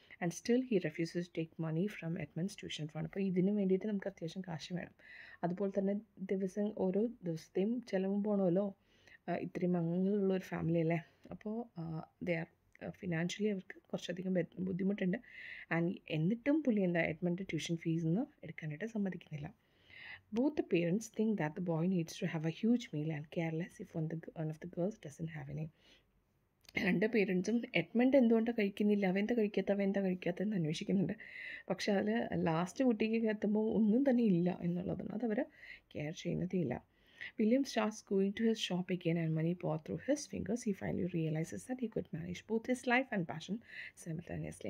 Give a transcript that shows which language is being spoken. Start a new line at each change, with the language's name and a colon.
English: And still he refuses to take money from Edmund's tuition fund.
Malayalam: അപ്പോൾ ഇതിന് വേണ്ടിയിട്ട് നമുക്ക് അത്യാവശ്യം കാശ് വേണം. അതുപോലെ തന്നെ ദിവസം ഓരോ ദിവസത്തെയും ചിലവും പോകണമല്ലോ, ഇത്രയും അംഗങ്ങളുള്ളൊരു ഫാമിലി അല്ലേ. അപ്പോൾ
English: they are financially
Malayalam: അവർക്ക് കുറച്ചധികം ബുദ്ധിമുട്ടുണ്ട്. ആൻഡ് എന്നിട്ടും പുള്ളി എന്താ എഡ്മണ്ട് ട്യൂഷൻ ഫീസ് എന്ന് എടുക്കാനായിട്ട് സമ്മതിക്കുന്നില്ല.
English: Both the parents think that the boy needs to have a huge meal and careless if one of the girls doesn't have any.
Malayalam: രണ്ട് പേരൻസും എഡ്മണ്ട് എന്തുകൊണ്ട് കഴിക്കുന്നില്ല, അവൻതെ കഴിക്കാത്ത അവൻതെ കഴിക്കാത്തതെന്ന് അന്വേഷിക്കുന്നുണ്ട്. പക്ഷേ അതിൽ ലാസ്റ്റ് കുട്ടിക്ക് എത്തുമ്പോൾ ഒന്നും തന്നെ ഇല്ല എന്നുള്ളതാണ്, അതവർ കെയർ ചെയ്യുന്നതേ ഇല്ല.
English: William starts going to his shop again and money pour through his fingers. He finally realises that he could manage both his life and passion simultaneously.